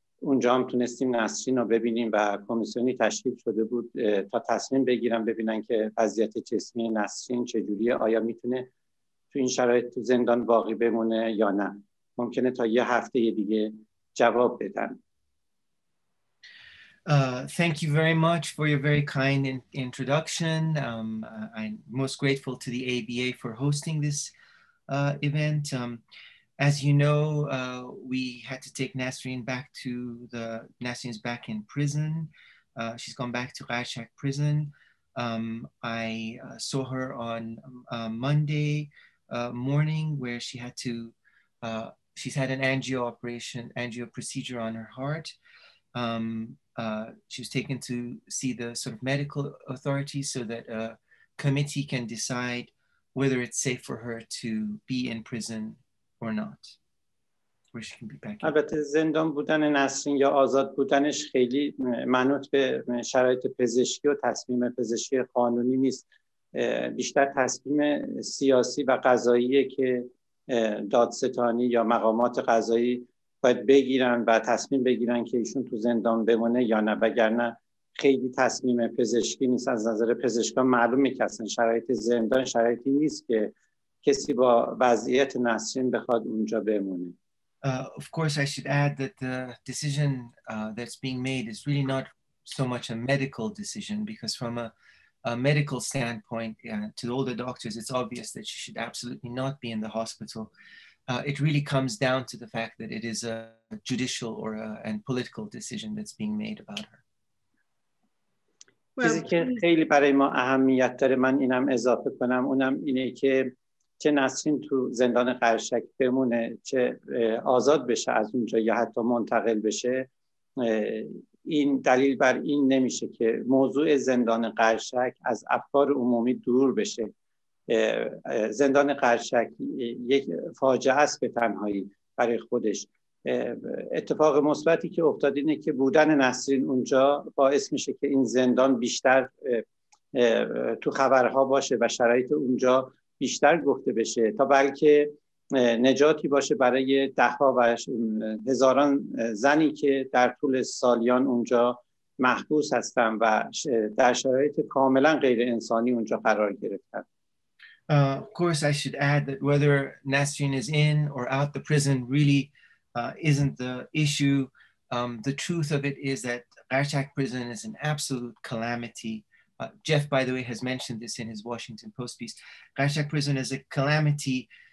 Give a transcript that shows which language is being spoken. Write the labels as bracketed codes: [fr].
[fa] اونجا هم تونستیم نسرین رو ببینیم و کمیسیونی تشکیل شده بود تا تصمیم بگیرن ببینن که وضعیت جسمی نسرین چجوریه، آیا میتونه تو این شرایط تو زندان باقی بمونه یا نه، ممکنه تا یه هفته دیگه جواب بدن. [en] Thank you very much for your very kind introduction. I'm most grateful to the ABA for hosting this event. As you know, we had to take Nasrin back to the, Nasrin's back in prison. She's gone back to Qarshak prison. I saw her on Monday morning where she had to, she's had an angio operation, angio procedure on her heart. She was taken to see the sort of medical authorities so that a committee can decide whether it's safe for her to be in prison or not, where she can be back. [fa] البته زندان بودن نسرین یا آزاد بودنش خیلی منوط به شرایط پزشکی و تصمیم پزشکی قانونی نیست، بیشتر تصمیم سیاسی و قضاییه که دادستانی یا مقامات قضایی باید بگیرن و تصمیم بگیرن که ایشون تو زندان بمونه یا نه، وگرنه خیلی تصمیم پزشکی نیست. از نظر پزشکان معلومه که اصلا شرایط زندان شرایطی نیست که کسی با وضعیت نسرین بخواد اونجا بمونه. [en] Of course I should add that the decision that's being made is really not so much a medical decision, because from a medical standpoint, to all the doctors, it's obvious that she should absolutely not be in the hospital. It really comes down to the fact that it is a judicial or a, and political decision that's being made about her. [fa] چیزی که خیلی برای ما اهمیت داره، من اینم اضافه کنم، اونم اینه که چه نسرین تو زندان قرشک بمونه چه آزاد بشه از اونجا یا حتی منتقل بشه، این دلیل بر این نمیشه که موضوع زندان قرشک از افکار عمومی دور بشه. زندان قرشک یک فاجعه است به تنهایی برای خودش. اتفاق مثبتی که افتاد اینه که بودن نسرین اونجا باعث میشه که این زندان بیشتر تو خبرها باشه و شرایط اونجا بیشتر گفته بشه، تا بلکه نجاتی باشه برای ده ها و هزاران زنی که در طول سالیان اونجا محبوس هستن و در شرایط کاملا غیر انسانی اونجا قرار گرفتن. [en] Of course, I should add that whether Nasrin is in or out the prison really isn't the issue. The truth of it is that Qarshak prison is an absolute calamity. Jeff, by the way, has mentioned this in his Washington Post piece. Qarshak prison is a calamity.